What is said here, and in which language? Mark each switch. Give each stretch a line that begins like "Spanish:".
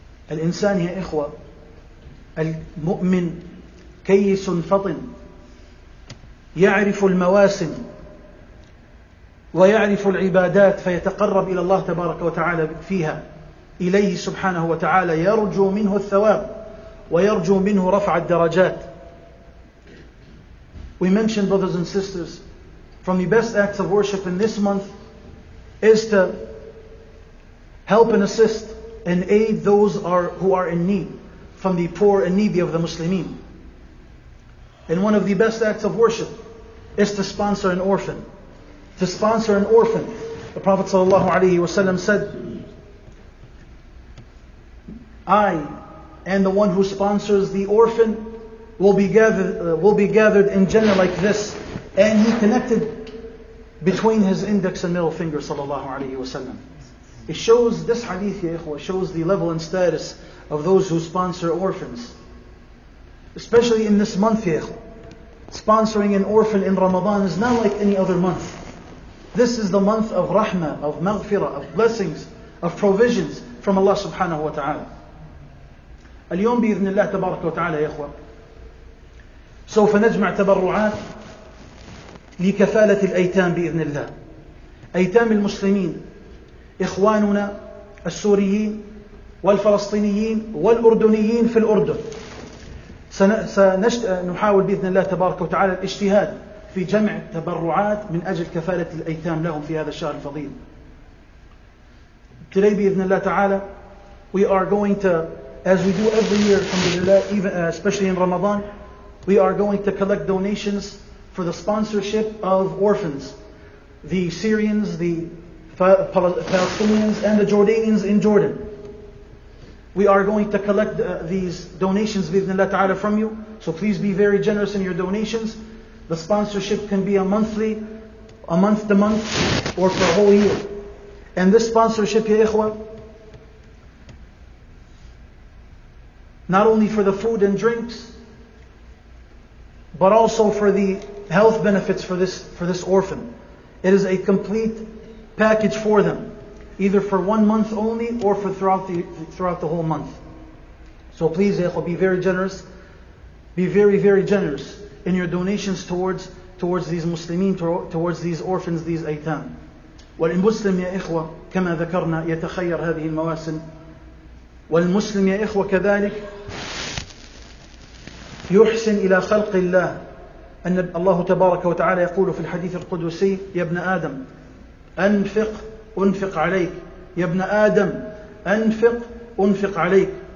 Arabic: الإنسان يا إخوة، المؤمن كيس فطن، يعرف المواسم ويعرف العبادات، فيتقرب إلى الله تبارك وتعالى فيها، إليه سبحانه وتعالى، يرجو منه الثواب ويرجو منه رفع الدرجات.
English: We mentioned, brothers and sisters, from the best acts of worship in this month is to help and assist and aid those who are in need, from the poor and needy of the Muslimin. And one of the best acts of worship is to sponsor an orphan. To sponsor an orphan, the Prophet ﷺ said, I and the one who sponsors the orphan will be gathered in Jannah like this. And he connected between his index and middle finger, sallallahu alayhi wa sallam. It shows, this hadith,
Arabic: ya ikhwa,
English: shows the level and status of those who sponsor orphans. Especially in this month,
Arabic: ya ikhwa.
English: Sponsoring an orphan in Ramadan is not like any other month. This is the month of rahmah, of maghfirah, of blessings, of provisions from Allah subhanahu wa ta'ala.
Arabic: اليوم بإذن الله تبارك وتعالى يا إخوة سوف نجمع تبرعات لكفالة الأيتام بإذن الله. أيتام المسلمين إخواننا السوريين والفلسطينيين والأردنيين في الأردن. سنحاول بإذن الله تبارك وتعالى الاجتهاد في جمع تبرعات من أجل كفالة الأيتام لهم في هذا الشهر الفضيل.
English: Today
Arabic: بإذن الله تعالى
English: we are going to, as we do every year, alhamdulillah, even especially in Ramadan, we are going to collect donations for the sponsorship of orphans, the Syrians, the Palestinians, and the Jordanians in Jordan. We are going to collect these donations,
Arabic: bi'idhnillah ta'ala,
English: from you. So please be very generous in your donations. The sponsorship can be a monthly, a month to month, or for a whole year. And this sponsorship,
Arabic: ya ikhwa,
English: not only for the food and drinks, but also for the health benefits for this orphan. It is a complete package for them, either for 1 month only or for throughout the whole month. So please, ikhwah, be very generous. Be very, very generous in your donations towards these Muslimin, towards these orphans, these aytam.
Arabic: والمسلم يا إخوة كما ذكرنا يتخير هذه المواسم. والمسلم يا إخوة كذلك يحسن إلى خلق الله. أن الله تبارك وتعالى يقول في الحديث القدسي يا ابن آدم أنفق عليك يا ابن آدم أنفق عليك.